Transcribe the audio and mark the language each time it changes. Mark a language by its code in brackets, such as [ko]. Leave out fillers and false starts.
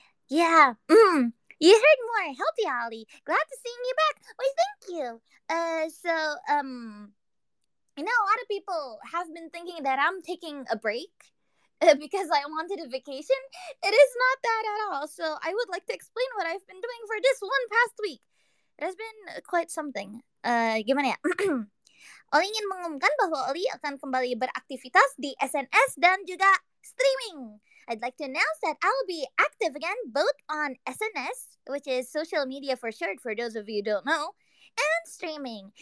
[en] Yeah, You heard more. Healthy, Oli. Glad to see you back. Why, thank you. I know a lot of people have been thinking that I'm taking a break because I wanted a vacation. It is not that at all. So I would like to explain what I've been doing for this one past week. It has been quite something. [id] Gimana ya? Oli ingin mengumumkan bahwa Oli akan kembali beraktivitas di SNS dan juga streaming. [en] I'd like to announce that I'll be active again both on SNS, which is social media for short for those of you who don't know, and streaming.